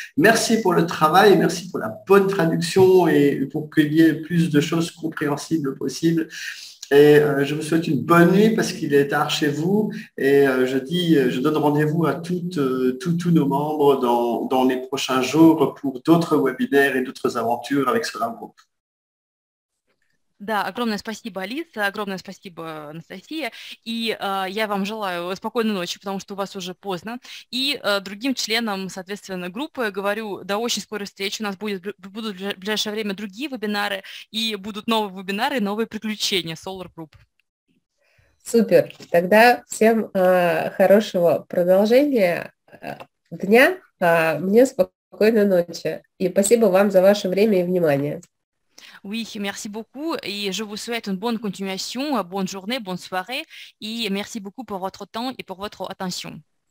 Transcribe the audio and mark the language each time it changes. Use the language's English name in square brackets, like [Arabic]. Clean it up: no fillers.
[French] Merci pour le travail, merci pour la bonne traduction et pour qu'il y ait plus de choses compréhensibles possibles. Et je vous souhaite une bonne nuit parce qu'il est tard chez vous. Et je donne rendez-vous à tous nos membres dans les prochains jours pour d'autres webinaires et d'autres aventures avec ce grand groupe. [Russian] Да, огромное спасибо, Алиса, огромное спасибо, Анастасия, и я вам желаю спокойной ночи, потому что у вас уже поздно, и другим членам, соответственно, группы говорю до очень скорой встречи, у нас будут в ближайшее время другие вебинары, и будут новые вебинары, новые приключения Solar Group. Супер. Тогда всем хорошего продолжения дня. Мне спокойной ночи. И спасибо вам за ваше время и внимание. [French] Oui, merci beaucoup et je vous souhaite une bonne continuation, bonne journée, bonne soirée et merci beaucoup pour votre temps et pour votre attention.